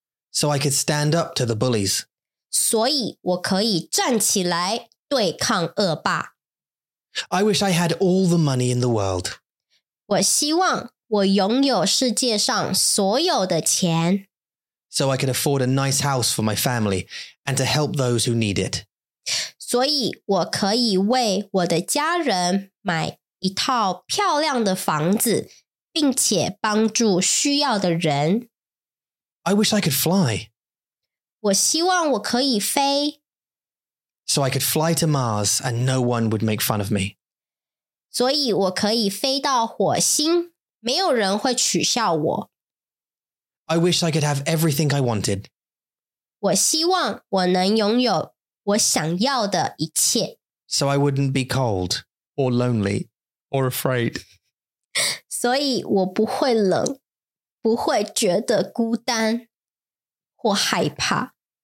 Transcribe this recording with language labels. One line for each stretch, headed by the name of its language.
English: So I could stand up to the bullies.
Chinese: 所以我可以站起来对抗恶霸。
English: I wish I had all the money in the world.
Chinese: 我希望我拥有世界上所有的钱。
English: So I could afford a nice house for my family and to help those who need it.
Chinese: 所以我可以为我的家人买一套漂亮的房子，并且帮助需要的人。
English: I wish I could fly.
Chinese: 我希望我可以飞。
English: So I could fly to Mars and no one would make fun of me.
Chinese: 所以我可以飞到火星，没有人会取笑我。
English: I wish I could have everything I wanted.
Chinese: 我希望我能拥有我想要的一切。
English: So I wouldn't be cold or lonely or afraid.
Chinese: 所以我不会冷，不会觉得孤单或害怕。